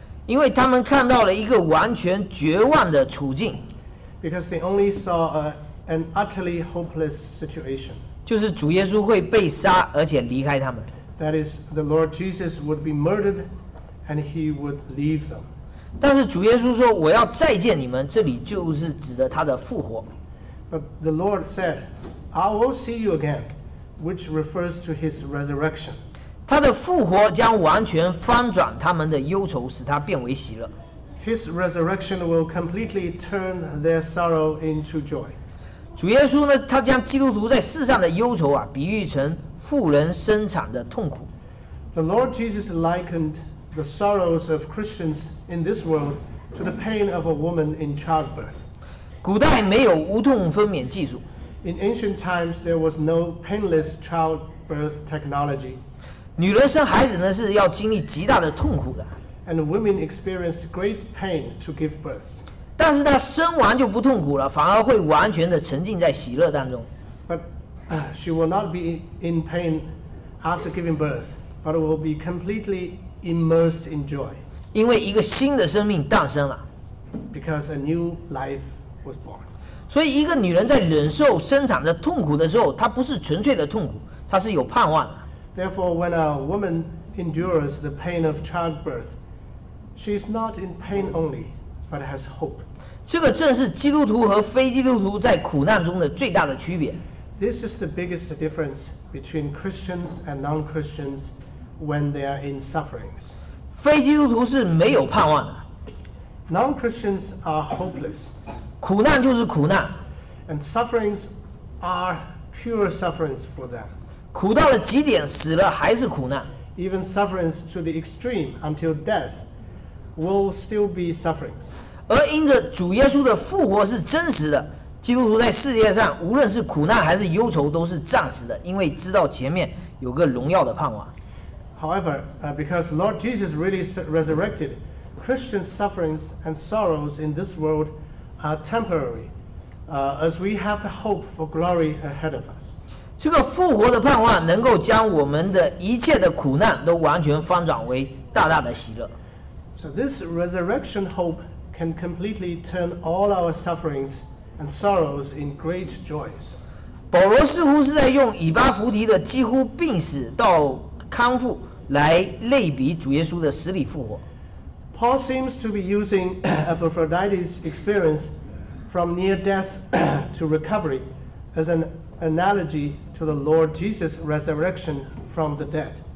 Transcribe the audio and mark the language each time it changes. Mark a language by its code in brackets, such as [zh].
[zh] 因为他们看到了一个完全绝望的处境。 [en] Because they only saw an utterly hopeless situation. [zh] 就是主耶稣会被杀，而且离开他们。 [en] That is, the Lord Jesus would be murdered, and he would leave them. [zh] 但是主耶稣说，我要再见你们，这里就是指的他的复活。 [en] But the Lord said, I will see you again, which refers to his resurrection. [zh] 他的复活将完全翻转他们的忧愁，使他变为喜乐。 [en] His resurrection will completely turn their sorrow into joy. [zh] 主耶稣呢，他将基督徒在世上的忧愁啊，比喻成妇人生产的痛苦。 [en] The Lord Jesus likened the sorrows of Christians in this world to the pain of a woman in childbirth. [zh] 古代没有无痛分娩技术。 [en] In ancient times, there was no painless childbirth technology. [zh] 女人生孩子呢，是要经历极大的痛苦的。 [en] And women experienced great pain to give birth. [zh] 但是他生完就不痛苦了，反而会完全的沉浸在喜乐当中。 [en] But she will not be in pain after giving birth, but will be completely immersed in joy. [zh] 因为一个新的生命诞生了。 [en] Because a new life was born. [zh] 所以一个女人在忍受生产的痛苦的时候，她不是纯粹的痛苦，她是有盼望的。 [en] Therefore, when a woman endures the pain of childbirth, she is not in pain only. But has hope. [zh] 这个正是基督徒和非基督徒在苦难中的最大的区别。 [en] This is the biggest difference between Christians and non-Christians when they are in sufferings. [zh] 非基督徒是没有盼望的。 [en] Non-Christians are hopeless. [zh] 苦难就是苦难。 [en] And sufferings are pure sufferings for them. [zh] 苦到了极点，死了还是苦难。 [en] Even sufferings to the extreme until death will still be sufferings. [zh] 而因着主耶稣的复活是真实的，基督徒在世界上无论是苦难还是忧愁都是暂时的，因为知道前面有个荣耀的盼望。 [en] However, because Lord Jesus really resurrected, Christian sufferings and sorrows in this world are temporary, as we have the hope for glory ahead of us. [zh] 这个复活的盼望能够将我们的一切的苦难都完全翻转为大大的喜乐。 [en] So this resurrection hope can completely turn all our sufferings and sorrows in great joys. [zh] 保罗似乎是在用以巴弗提的几乎病死到康复来类比主耶稣的死里复活。 [en] Paul seems to be using Epaphroditus' experience from near death to recovery as an analogy to the Lord Jesus' resurrection from the dead.